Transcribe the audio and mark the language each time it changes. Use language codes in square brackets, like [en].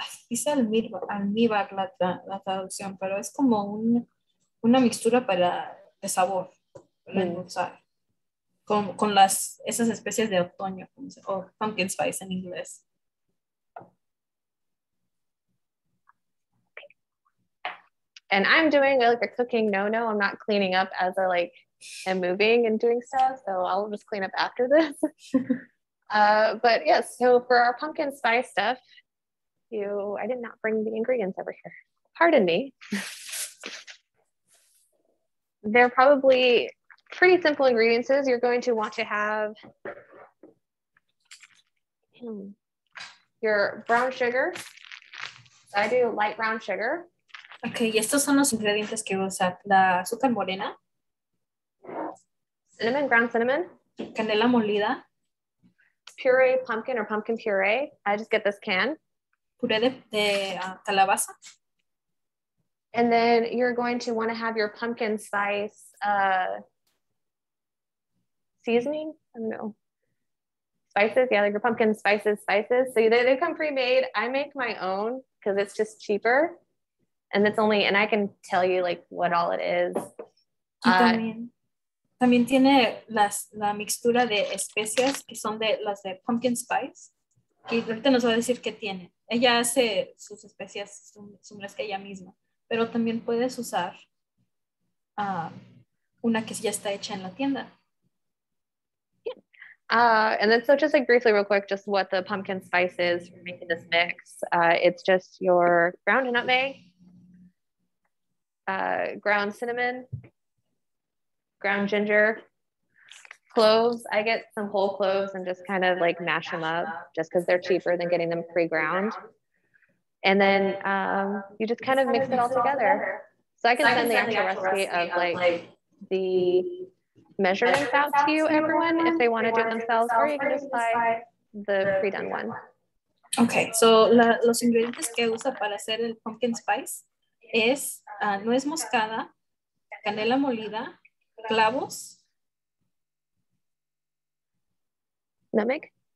[es] Dice almíbar la traducción, pero es como una mixtura para de sabor, para endulzar, con las esas especies de otoño, o pumpkin spice en inglés. [en] And I'm doing like a cooking no-no. I'm not cleaning up as I like am moving and doing stuff. So I'll just clean up after this. but yes, yeah, so for our pumpkin spice stuff, I did not bring the ingredients over here. Pardon me. They're probably pretty simple ingredients. You're going to want to have your brown sugar. I do light brown sugar. [es] Okay, y estos son los ingredientes que voy a usar. La azúcar morena. [en] Cinnamon, ground cinnamon. [es] Canela molida. [en] Puree pumpkin or pumpkin puree. I just get this can. [es] Puré de calabaza. [en] And then you're going to want to have your pumpkin spice seasoning. I don't know. Spices, yeah, like your pumpkin spices. So they come pre-made. I make my own because it's just cheaper. And it's only, and I can tell you like what all it is. [es] También tiene la mixtura de especias que son de las de pumpkin spice. Y ahorita nos va a decir qué tiene. Ella hace sus especias, su mezcla ella misma. Pero también puedes usar una que ya está hecha en la tienda. [en] Yeah. And then so just like briefly real quick, just what the pumpkin spice is for making this mix. It's just your ground nutmeg. Ground cinnamon, ground ginger, cloves. I get some whole cloves and just kind of like mash them up just because they're cheaper than getting them pre-ground. And then you just kind of mix it all together. So I can send the actual recipe of like the measurements out to you, everyone, if they want to do it themselves, or you can just buy the pre-done one. [es] Okay, so los ingredientes que usa para hacer el pumpkin spice es nuez moscada, canela molida, clavos. [en] Nutmeg.